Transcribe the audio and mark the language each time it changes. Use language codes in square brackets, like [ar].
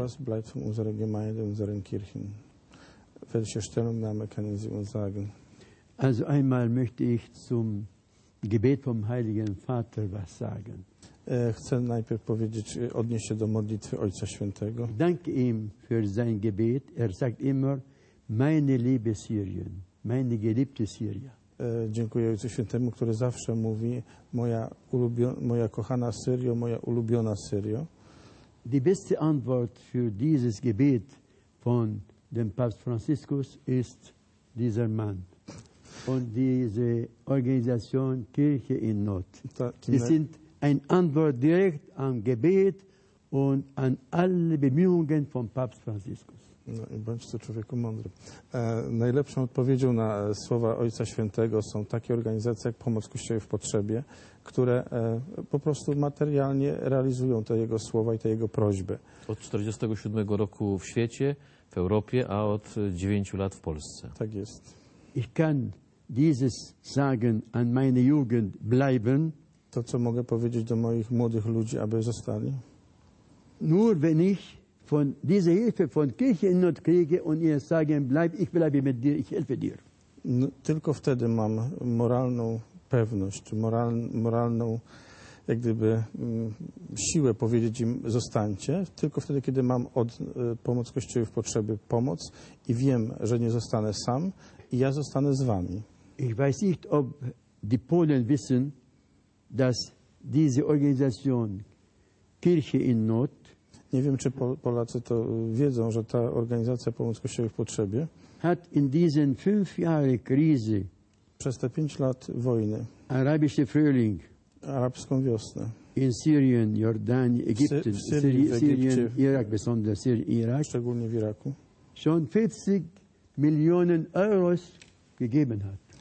[de] Was bleibt von unserer Gemeinde, unseren Kirchen? Welche Stellungnahme können Sie uns sagen? Also einmal möchte ich zum Gebet vom Heiligen Vater was sagen. [pl] Chcę najpierw powiedzieć, odnieść się do modlitwy Ojca Świętego. [de] Danke ihm für sein Gebet. Sagt immer, meine liebe Syrien, meine geliebte Syria. [pl] Dziękuję Ojcu Świętemu, który zawsze mówi, moja kochana Syrio, moja ulubiona Syrio. [de] Die beste Antwort für dieses Gebet von dem Papst Franziskus ist dieser Mann. Und diese Organisation Kirche in Not. Sie sind ein Antwort direkt am Gebet und an alle Bemühungen von Papst Franziskus. [pl] No i bądź to człowieku mądry. Najlepszą odpowiedzią na słowa Ojca Świętego są takie organizacje jak Pomoc Kościołowi w Potrzebie, które po prostu materialnie realizują te jego słowa i te jego prośby. Od 1947 roku w świecie, w Europie, a od 9 lat w Polsce. Tak jest. [de] Ich kann dieses sagen an meine Jugend bleiben. [pl] To, co mogę powiedzieć do moich młodych ludzi, aby zostali. [de] Nur wenn ich von dieser Hilfe von Kirche in Not kriege und ihr sagen, bleib, ich bleibe mit dir, ich helfe dir. [pl] No, tylko wtedy mam moralną pewność, moralną jak gdyby siłę powiedzieć im, zostańcie. Tylko wtedy, kiedy mam od Pomoc Kościoła w Potrzebie pomoc i wiem, że nie zostanę sam i ja zostanę z wami. [de] Ich weiß nicht, ob die Polen wissen, dass diese Organisation Kirche in Not. [pl] Nie wiem, czy Polacy to wiedzą, że ta organizacja Pomoc Kościoła w Potrzebie [de] hat in diesen fünf Jahre Krise, [pl] przez te 5 lat wojny, [de] arabische Frühling, [pl] arabską wiosnę, [de] in Syrien, Jordanien, Egypten, Irak, [pl] szczególnie w Iraku, [de] schon 40 Millionen Euros gegeben hat.